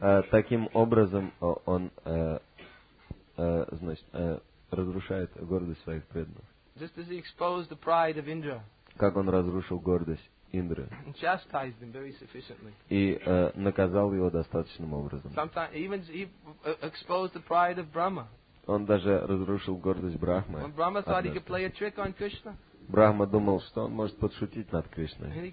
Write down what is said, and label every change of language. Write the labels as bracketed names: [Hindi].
[Russian] Таким образом он значит разрушает гордость своих преданных. [English] Just as he exposed the pride of Indra. [Russian] Как он разрушил гордость Индры. [English] And chastised him very sufficiently. [Russian] И наказал его достаточным образом. [English] Sometimes even he exposed the pride of Brahma. [Russian] Он даже разрушил гордость Брахмы. [English] When Brahma thought he could play a trick on Krishna. [Russian] Брахма думал, что он может подшутить над Кришной.